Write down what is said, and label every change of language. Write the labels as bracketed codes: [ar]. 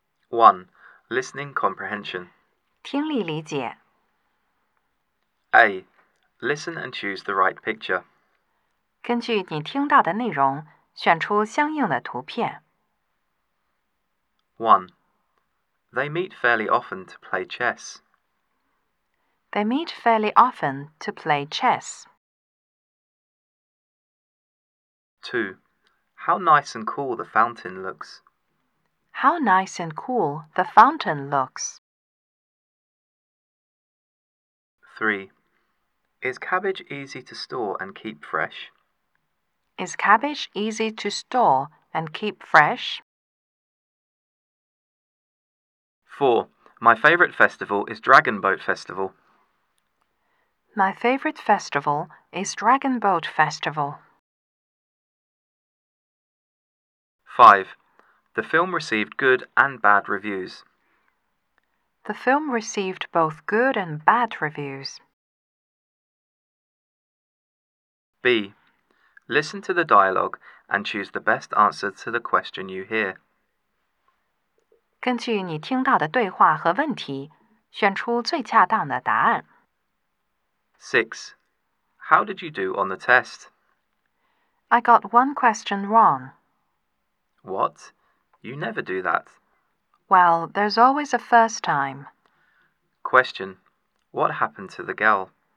[en] 1 Listening Comprehension [zh] 听力理解。 [en] A. Listen and choose the right picture. [zh] 根据你听到的内容选出相应的图片。 [en] 1. They meet fairly often to play chess. They meet fairly often to play chess. 2. How nice and cool the fountain looks. How nice and cool the fountain looks. 3. Is cabbage easy to store and keep fresh? Is cabbage easy to store and keep fresh? 4. My favorite festival is Dragon Boat Festival. My favorite festival is Dragon Boat Festival. 5. The film received good and bad reviews. The film received both good and bad reviews. B. Listen to the dialogue and choose the best answer to the question you hear. [zh] 根据你听到的对话和问题，选出最恰当的答案。 [en] 6. How did you do on the test? I got one question wrong. What? You never do that. Well, there's always a first time. Question. What happened to the girl?